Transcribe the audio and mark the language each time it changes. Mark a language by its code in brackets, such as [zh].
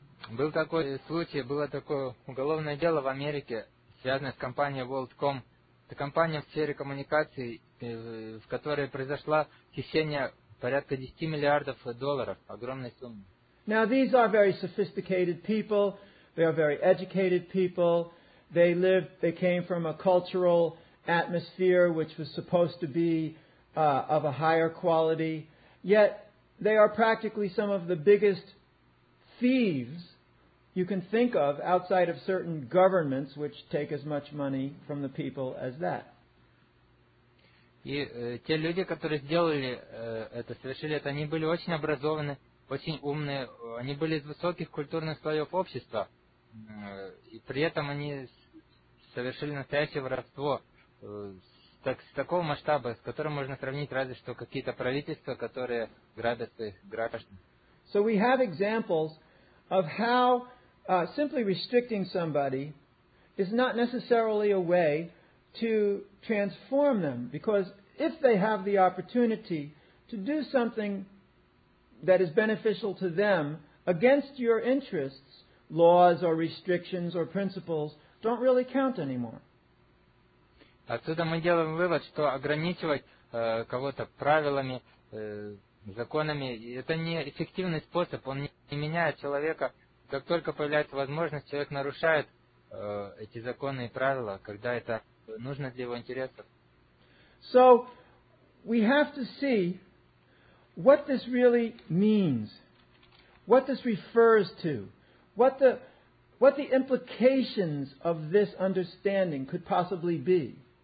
[ru] Был такой случай, было такое уголовное дело в Америке, связанное с компанией WorldCom. Это компания в сфере коммуникаций, в которой произошло хищение порядка 10 миллиардов долларов, огромной суммы. [en] Now these are very sophisticated people, they are very educated people, they came from a cultural atmosphere which was supposed to be of a higher quality, yet they are practically some of the biggest thieves you can think of outside of certain governments which take as much money from the people as that. [ru] И те люди, которые сделали это, совершили это, они были очень образованы, очень умные, они были из высоких культурных слоев общества, и при этом они совершили настоящее воровство с такого масштаба, с которым можно сравнить разве что какие-то правительства, которые грабят своих граждан. [en] So we have examples of how simply restricting somebody is not necessarily a way to transform them, because if they have the opportunity to do something that is beneficial to them against your interests, laws or restrictions or principles don't really count anymore. [ru] Отсюда мы делаем вывод, что ограничивать кого-то правилами, законами, это не эффективный способ, он не меняет человека. Как только появляется возможность, человек нарушает эти законы и правила, когда это нужно для его интересов. [en] So, we have to see what this really means, what this refers to, what the implications of this understanding could possibly be.